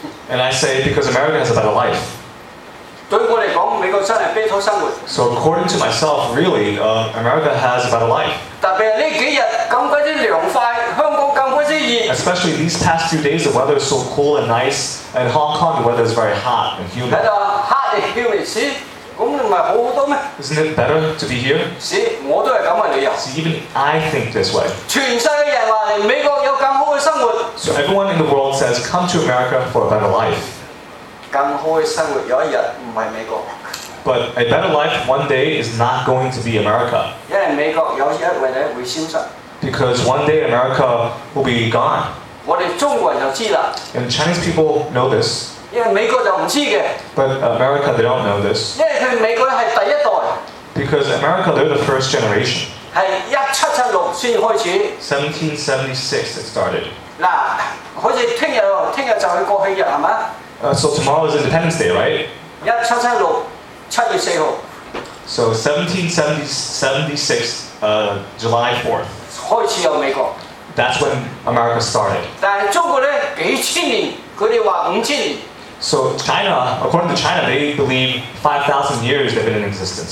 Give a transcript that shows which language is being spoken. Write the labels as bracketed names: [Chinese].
[English] And I say, because America has a better life. [Chinese] 對我來說，美國真是better生活。 [English] So according to myself, really, America has a better life. [Chinese] 特別是這幾天，這麼涼快，香港這麼熱。 [English] Especially these past few days, the weather is so cool and nice, and Hong Kong, the weather is very hot and humid. [Chinese] 在這裡， [English] hot and humid，see? [Chinese] 那不是好很多嗎？ [English] Isn't it better to be here? [Chinese] See, 我也是這樣的理由。 [English] See, even I think this way. [Chinese] 全世界人說來美國有更好的生活。 [English] So everyone in the world says, come to America for a better life. [Chinese] 更好的生活有一天不是美國。 [English] But a better life one day is not going to be America. [Chinese] 因為美國有一天會消失。 [English] Because one day America will be gone. [Chinese] 我們中國人就知道。 [English] And Chinese people know this. [Chinese] 因為美國就不知道的。 [English] But America, they don't know this. [Chinese] 因為美國是第一代。 [English] Because America, they're the first generation. [Chinese] 是1776才開始。 [English] 1776 it started. [Chinese] 好像明天就是國慶日,是吧? [English] So tomorrow is Independence Day, right? [Chinese] 1776,7月4日。 [English] So 1776, July 4th. [Chinese] 開始有美國。 [English] That's when America started. [Chinese] 但是中國呢,幾千年,他們說5000年。 [English] So China, according to China, they believe 5,000 years they've been in existence.